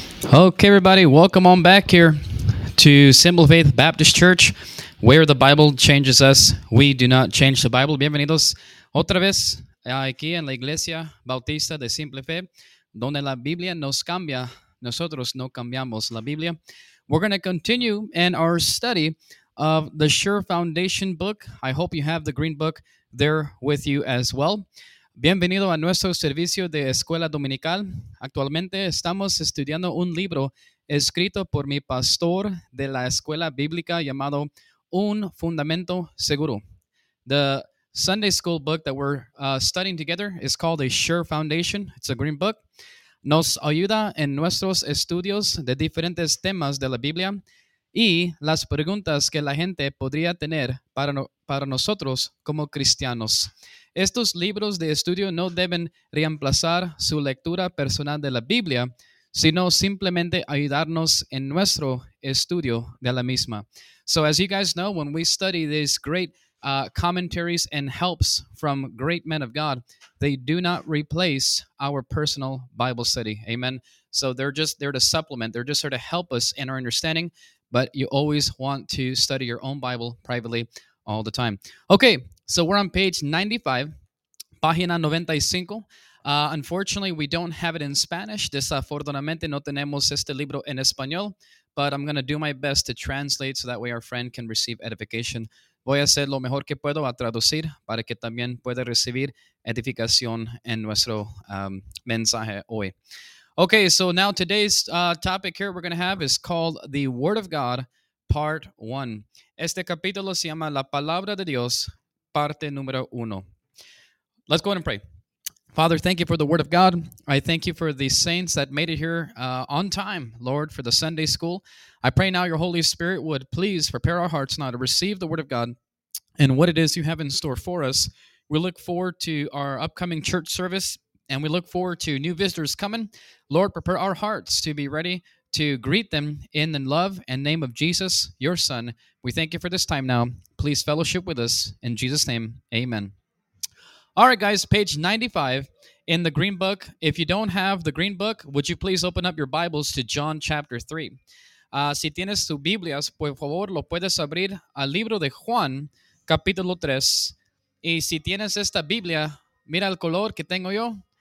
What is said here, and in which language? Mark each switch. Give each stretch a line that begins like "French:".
English: Okay, everybody, welcome on back here to Symbol of Faith Baptist Church, where the Bible changes us. We do not change the Bible.
Spanish: Bienvenidos otra vez aquí en la Iglesia Bautista de Simple Fe, donde la Biblia nos cambia. Nosotros no cambiamos la Biblia.
English: We're going to continue in our study of the Sure Foundation book. I hope you have the green book there with you as well.
Spanish: Bienvenido a nuestro servicio de escuela dominical. Actualmente estamos estudiando un libro escrito por mi pastor de la escuela bíblica llamado Un Fundamento Seguro.
English: The Sunday school book that we're studying together is called A Sure Foundation. It's a green book.
Spanish: Nos ayuda en nuestros estudios de diferentes temas de la Biblia y las preguntas que la gente podría tener para nosotros como cristianos. Estos libros de estudio no deben reemplazar su lectura personal de la Biblia, sino simplemente ayudarnos en nuestro estudio de la misma.
English: So as you guys know, when we study these great commentaries and helps from great men of God, they do not replace our personal Bible study. Amen. So they're just there to supplement. They're just there to help us in our understanding. But you always want to study your own Bible privately all the time. Okay, so we're on page 95,
Spanish: página 95.
English: Unfortunately, we don't have it in Spanish.
Spanish: Desafortunadamente, no tenemos este libro en español.
English: But I'm going to do my best to translate so that way our friend can receive edification.
Spanish: Voy a hacer lo mejor que puedo a traducir para que también pueda recibir edificación en nuestro mensaje hoy.
English: Okay, so now today's topic here we're going to have is called The Word of God, Part 1.
Spanish: Este capítulo se llama La Palabra de Dios, Parte Número Uno.
English: Let's go ahead and pray. Father, thank you for the Word of God. I thank you for the saints that made it here on time, Lord, for the Sunday school. I pray now your Holy Spirit would please prepare our hearts now to receive the Word of God and what it is you have in store for us. We look forward to our upcoming church service, and we look forward to new visitors coming. Lord, prepare our hearts to be ready to greet them in the love and name of Jesus, your Son. We thank you for this time now. Please fellowship with us. In Jesus' name, amen. All right, guys, page 95 in the green book. If you don't have the green book, would you please open up your Bibles to John chapter 3.
Spanish: Si tienes tu Biblia, por favor, lo puedes abrir al libro de Juan, capítulo 3. Y si tienes esta Biblia, mira el color que tengo yo.